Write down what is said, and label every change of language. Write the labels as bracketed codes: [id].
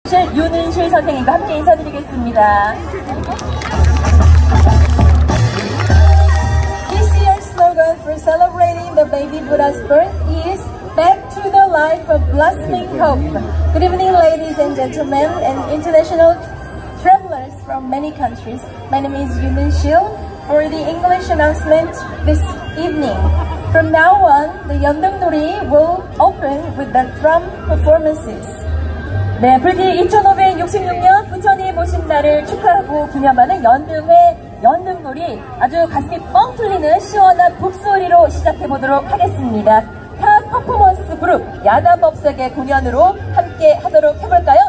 [ko] 윤은실, 윤은실 선생님과 함께 인사드리겠습니다. [en] This year's slogan for celebrating the baby Buddha's birth is Back to the life of blossoming hope. Good evening, ladies and gentlemen, and international travelers from many countries. My name is Yunshil for the English announcement this evening. From now on, the Yeondeungdori will open with the drum performances. [ko] 네, 불기 2566년 부처님 모신 날을 축하하고 기념하는 연등의 연등놀이 아주 가슴이 뻥 뚫리는 시원한 북소리로 시작해 보도록 하겠습니다. 타 퍼포먼스 그룹 야단법석의 공연으로 함께 하도록 해볼까요?